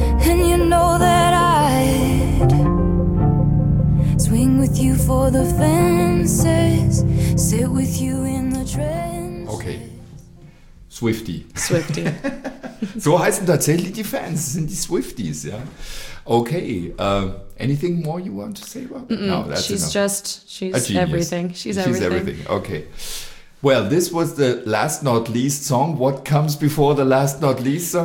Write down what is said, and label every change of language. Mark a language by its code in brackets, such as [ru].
[en] And you know that I'd swing with you for the fences, sit with you in the trench. Swifty. [de] So heißen tatsächlich die Fans, das sind die Swifties, ja. [en] Okay, anything more you want to say about that? No, that's she's enough. She's everything. Okay. Well, this was the last not least song. What comes before the last not least song?